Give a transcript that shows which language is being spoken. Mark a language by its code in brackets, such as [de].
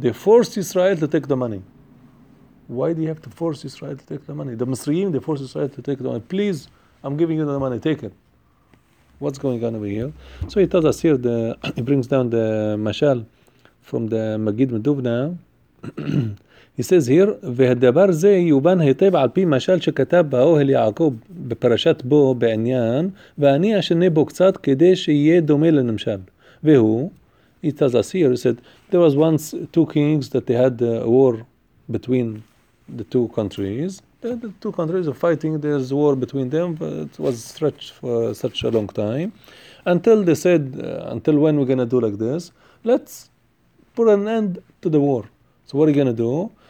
[en] They forced Israel to take the money. Why do you have to force Israel to take the money? The Mitzrayim, they forced Israel to take the money. Please, I'm giving you the money, take it. What's going on over here? So he tells us here, he brings down the Mashal from the Magid Medubna. He says here, [he] והדבר זה יובן היטב על פי משל שכתב באוהל יעקב בפרשת בו בעניין, ואני אשנה בו קצת כדי שיהיה דומה לנמשל. והוא, [en] he tells us here, he said, there was once two kings that they had a war between the two countries. The two countries are fighting, there's war between them, but it was stretched for such a long time. Until they said, until when we're going to do like this? Let's put an end to the war. So what are you going to do?